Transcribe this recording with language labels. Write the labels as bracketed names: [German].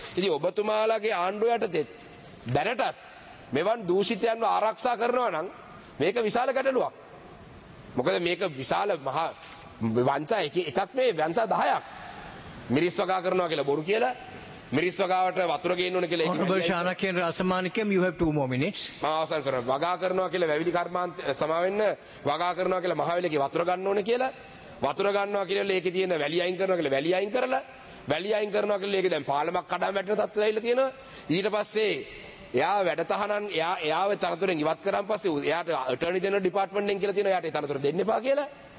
[Sinhala] ඉතින් ඔබතුමාලගේ ආණ්ඩුව යටතේ දැනටත් මෙවන් දූෂිතයන්ව ආරක්ෂා කරනවා නම් මේක විශාල ගැටලුවක්. මොකද මේක විශාල මහා වංචා එකක් නෙවෙයි වංචා 10ක්. මිරිස් වගා කරනවා කියලා බොරු කියලා මිරිස් වගාවට වතුර ගේන්න ඕන කියලා ඒක. ඔබ ශානකයන් රසමාණිකම් [English] you have 2 more minutes. [Sinhala] මම අවසන් කරනවා. වගා කරනවා කියලා වැවිලි කර්මාන්ත සමා වෙන්න වගා කරනවා කියලා මහවැලිගේ වතුර ගන්න ඕන කියලා වතුර ගන්නවා කියලා ඒකේ තියෙන වැලි අයින් කරනවා කියලා වැලි අයින් කරලා වැලි අයින් කරනවා කියලා ඒක දැන් පාලමක් කඩන් වැටෙන තත්ත්වය ඇවිල්ලා තියෙනවා. ඊට පස්සේ එයා වැඩ තහනම් එයා එයාව තනතුරෙන් ඉවත් කරාන් පස්සේ එයාට attorney general department එකෙන් කියලා තියෙනවා එයාට ඒ තනතුර දෙන්න එපා කියලා.